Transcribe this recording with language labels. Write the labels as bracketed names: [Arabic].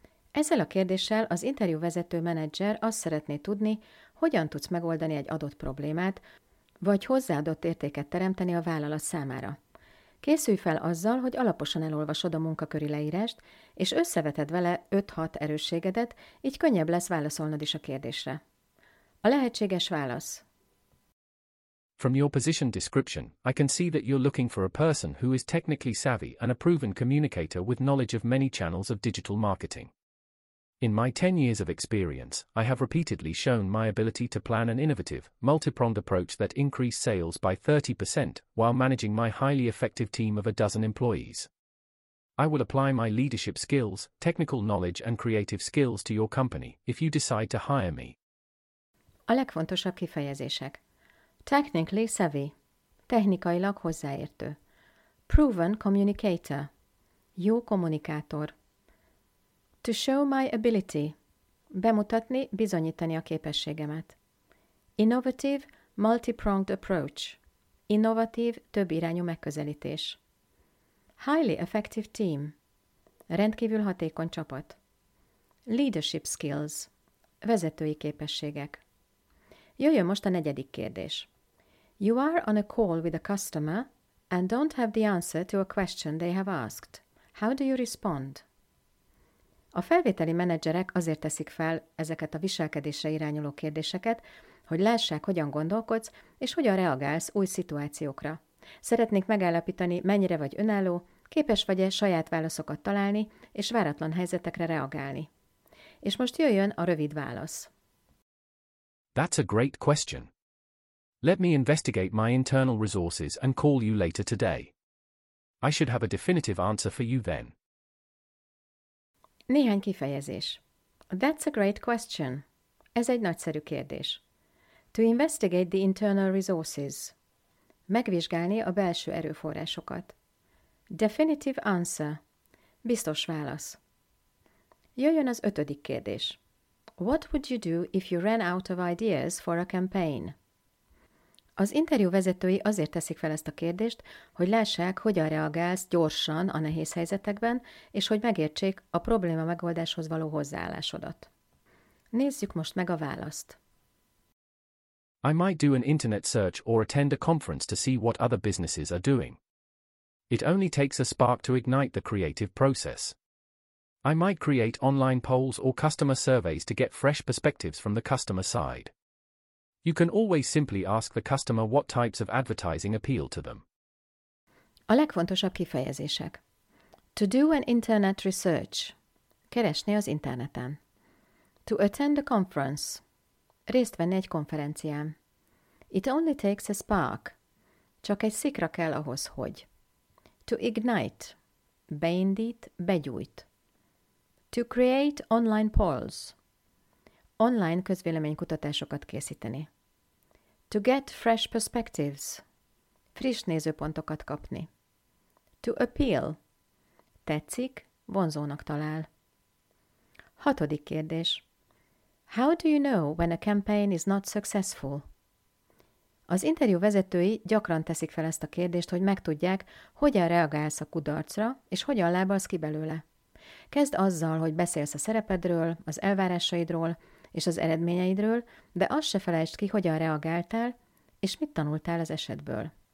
[Hungarian] Ezzel a kérdéssel az interjúvezető menedzser azt szeretné tudni, hogyan tudsz megoldani egy adott problémát, vagy hozzáadott értéket teremteni a vállalat számára. Készülj fel azzal, hogy alaposan elolvasod a munkaköri leírást, és összeveted vele 5-6 erősségedet, így könnyebb lesz válaszolnod is a kérdésre. A lehetséges válasz. [English] From your position description, I can see that you're looking for a person who is technically savvy and a proven communicator with knowledge of many channels of digital marketing. In my 10 years of experience, I have repeatedly shown my ability to plan an innovative, multi-pronged approach that increased sales by 30% while managing my highly effective team of a dozen employees. I will apply my leadership skills, technical knowledge and creative skills to your company if you decide to hire me. [Hungarian] A legfontosabb kifejezések. [English] Technically savvy. [Hungarian] Technikailag hozzáértő. [English] Proven communicator. [Hungarian] Jó kommunikátor. [English] To show my ability. [Hungarian] Bemutatni, bizonyítani a képességemet. [English] Innovative, multi-pronged approach. [Hungarian] Innovatív, több irányú megközelítés. [English] Highly effective team. [Hungarian] Rendkívül hatékony csapat. [English] Leadership skills. [Hungarian] Vezetői képességek. Jöjjön most a negyedik kérdés. [English] You are on a call with a customer and don't have the answer to a question they have asked. How do you respond? [Hungarian] A felvételi menedzserek azért teszik fel ezeket a viselkedésre irányuló kérdéseket, hogy lássák, hogyan gondolkodsz, és hogyan reagálsz új szituációkra. Szeretnék megállapítani, mennyire vagy önálló, képes vagy-e saját válaszokat találni, és váratlan helyzetekre reagálni. És most jöjjön a rövid válasz. [English] That's a great question. Let me investigate my internal resources and call you later today. I should have a definitive answer for you then. [Hungarian] Néhány kifejezés. [English] That's a great question. [Hungarian] Ez egy nagyszerű kérdés. [English] To investigate the internal resources. [Hungarian] Megvizsgálni a belső erőforrásokat. [English] Definitive answer. [Hungarian] Biztos válasz. Jöjjön az ötödik kérdés. [English] What would you do if you ran out of ideas for a campaign? [Hungarian] Az interjú vezetői azért teszik fel ezt a kérdést, hogy lássák, hogyan reagálsz gyorsan a nehéz helyzetekben, és hogy megértsék a probléma megoldáshoz való hozzáállásodat. Nézzük most meg a választ. [English] I might do an internet search or attend a conference to see what other businesses are doing. It only takes a spark to ignite the creative process. I might create online polls or customer surveys to get fresh perspectives from the customer side. You can always simply ask the customer what types of advertising appeal to them. [Hungarian] A legfontosabb kifejezések. [English] To do an internet research. [Hungarian] Keresni az interneten. [English] To attend a conference. [Hungarian] Részt venni egy konferencián. [English] It only takes a spark. [Hungarian] Csak egy szikra kell ahhoz, hogy. [English] To ignite. [Hungarian] Beindít, begyújt. [English] To create online polls. [Hungarian] Online közvéleménykutatásokat készíteni. [English] To get fresh perspectives. [Hungarian] Friss nézőpontokat kapni. [English] To appeal. [Hungarian] Tetszik, vonzónak talál. Hatodik kérdés. [English] How do you know when a campaign is not successful? [Hungarian] Az interjú vezetői gyakran teszik fel ezt a kérdést, hogy megtudják, hogyan reagálsz a kudarcra, és hogyan lábalsz ki belőle. Kezd azzal, hogy beszélsz a szerepedről, az elvárásaidról és az eredményeidről, de azt se felejtsd ki, hogyan reagáltál és mit tanultál az esetből.